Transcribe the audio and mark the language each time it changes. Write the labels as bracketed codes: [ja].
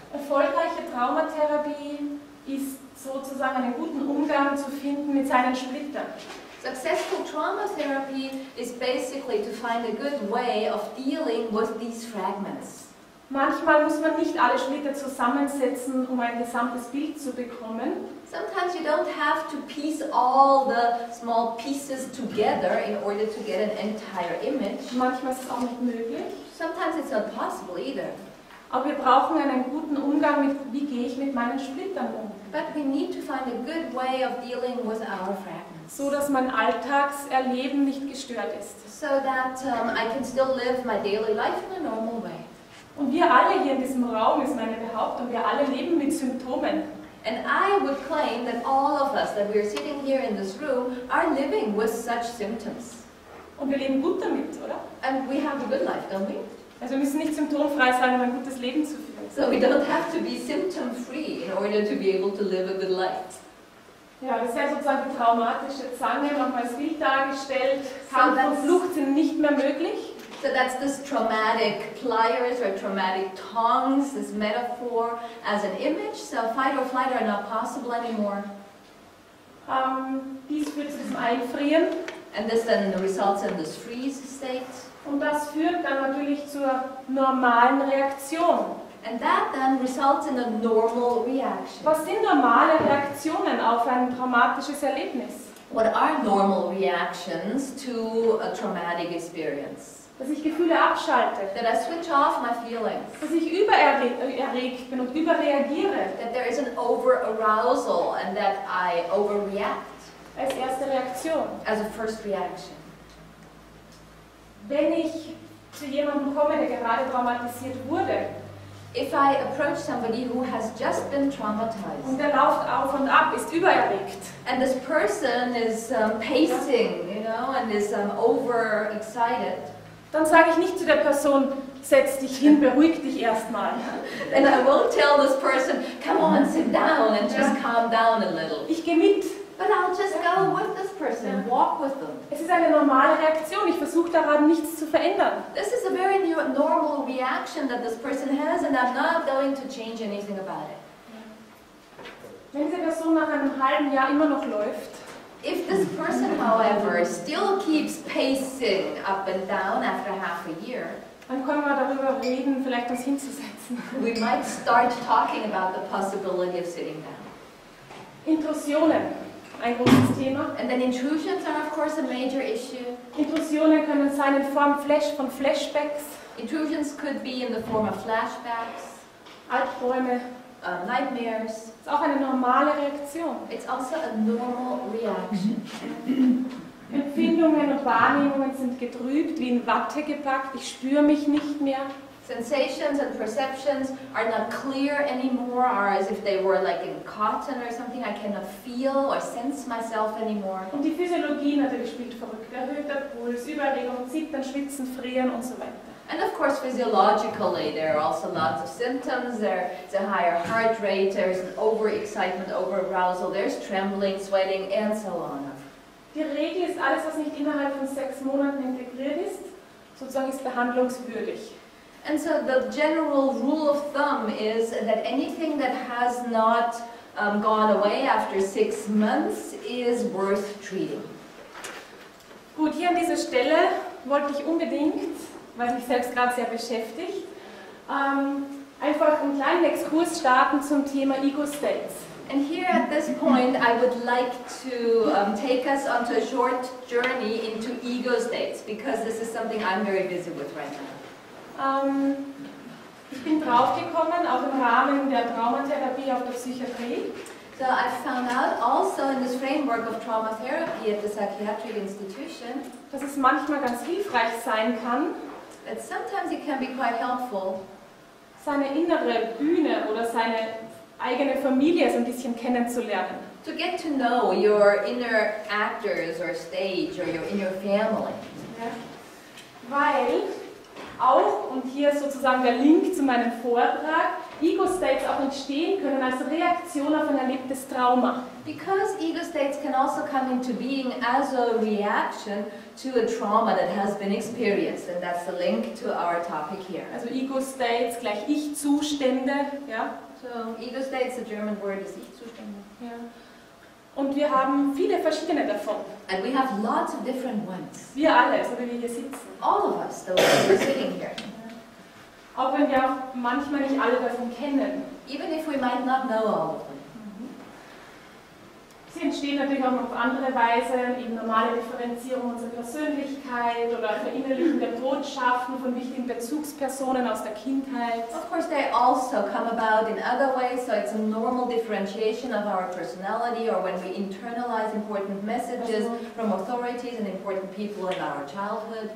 [de] Erfolgreiche Traumatherapie ist sozusagen einen guten Umgang zu finden mit seinen Splittern. [en] Successful trauma therapy is basically to find a good way of dealing with these fragments. [de] Manchmal muss man nicht alle Splitter zusammensetzen, um ein gesamtes Bild zu bekommen. [en] Sometimes you don't have to piece all the small pieces together in order to get an entire image. [de] Manchmal ist es auch nicht möglich. [en] Sometimes it's not possible either. [de] Aber wir brauchen einen guten Umgang mit, wie gehe ich mit meinen Splittern um? [en] But we need to find a good way of dealing with our fragments. [de] So dass mein Alltagserleben nicht gestört ist. [en] So that I can still live my daily life in a normal way. [de] Und wir alle hier in diesem Raum, ist meine Behauptung, wir alle leben mit Symptomen. [en] And I would claim that all of us, that we are sitting here in this room, are living with such symptoms. [de] Und wir leben gut damit, oder? [en] And we have a good life, don't we? [de] Also wir müssen nicht symptomfrei sein, um ein gutes Leben zu führen. [en] So we don't have to be symptom-free in order to be able to live a good life. [de] Ja, das ist ja sozusagen die traumatische Zange, manchmal als Bild dargestellt, Kampf und Flucht sind nicht mehr möglich. [en] So that's this traumatic pliers or traumatic tongs, this metaphor as an image. So fight or flight are not possible anymore. [de] Dies führt zu diesem Einfrieren. [en] And this then results in this freeze state. [de] Und das führt dann natürlich zur normalen Reaktion. [en] And that then results in a normal reaction. [de] Was sind normale Reaktionen auf ein traumatisches Erlebnis? [en] What are normal reactions to a traumatic experience? [de] Dass ich Gefühle abschalte. [en] That I switch off my feelings. [de] Dass ich übererregt bin und überreagiere. [en] That there is an over-arousal and that I overreact. [de] Als erste Reaktion. [en] As a first reaction. [de] Wenn ich zu jemandem komme, der gerade traumatisiert wurde. [en] If I approach somebody who has just been traumatized. [de] Und der läuft auf und ab, ist übererregt. [en] And this person is pacing, you know, and is over-excited. [de] Dann sage ich nicht zu der Person, setz dich hin, beruhig dich erstmal. [en] And I won't tell this person, come on, sit down and just calm down a little. [de] Ich gehe mit. [en] But I'll just go with this person, walk with them. [de] Es ist eine normale Reaktion, ich versuche daran nichts zu verändern. [en] This is a very normal reaction that this person has and I'm not going to change anything about it. [de] Wenn diese Person nach einem halben Jahr immer noch läuft, [en] if this person, however, still keeps pacing up and down after half a year, [de] dann können wir darüber reden, vielleicht was hinzusetzen. [en] We might start talking about the possibility of sitting down. [de] Intrusionen, ein großes Thema. [en] And then intrusions are, of course, a major issue. [de] Intrusionen können sein in Form von Flashbacks. [en] Intrusions could be in the form of flashbacks. [de] Albträume. [en] Nightmares. [de] Ist auch eine normale Reaktion. [en] It's also a normal reaction. [de] Empfindungen und Wahrnehmungen sind getrübt, wie in Watte gepackt. Ich spüre mich nicht mehr. [en] Sensations and perceptions are not clear anymore, or as if they were like in cotton or something. I cannot feel or sense myself anymore. [de] Und die Physiologie natürlich spielt verrückt. Erhöhter Puls, Überregung, Zittern, Schwitzen, Frieren und so weiter. [en] And of course, physiologically, there are also lots of symptoms. There's a higher heart rate, there's an overexcitement, overarousal, there's trembling, sweating, and so on. [de] Die Regel ist, alles, was nicht innerhalb von 6 Monaten integriert ist, sozusagen ist behandlungswürdig. [en] And so the general rule of thumb is that anything that has not gone away after 6 months is worth treating. [de] Gut, hier an dieser Stelle wollte ich unbedingt, weil mich selbst gerade sehr beschäftigt, einfach einen kleinen Exkurs starten zum Thema Ego States. [en] And here at this point I would like to take us onto a short journey into Ego States, because this is something I'm very busy with right now. [de] Ich bin draufgekommen, auch im Rahmen der Traumatherapie auf der Psychiatrie. [en] So I found out also in this framework of trauma therapy at the psychiatric institution, [de] dass es manchmal ganz hilfreich sein kann, [en] that sometimes it can be quite helpful, [de] seine innere Bühne oder seine eigene Familie so ein bisschen kennenzulernen. [en] To get to know your inner actors or stage or your inner family. [de] Ja. Weil auch, und hier ist sozusagen der Link zu meinem Vortrag, Ego-States auch entstehen können als Reaktion auf ein erlebtes Trauma. [en] Because Ego-States can also come into being as a reaction to a trauma that has been experienced. And that's the link to our topic here. [de] Also Ego-States gleich Ich-Zustände. Ja? [en] So Ego-States, the German word is Ich-Zustände. [de] Ja. Und wir haben viele verschiedene davon. [en] And we have lots of different ones. [de] Wir alle, so wie wir hier sitzen. [en] All of us, the ones who are sitting here. [de] Auch wenn wir auch manchmal nicht alle davon kennen. [en] Even if we might not know all of them. [de] Sie entstehen natürlich auch auf andere Weise, eben normale Differenzierung unserer Persönlichkeit oder Verinnerlichung der Botschaften von wichtigen Bezugspersonen aus der Kindheit. [en] Of course they also come about in other ways, so it's a normal differentiation of our personality or when we internalize important messages from authorities and important people in our childhood.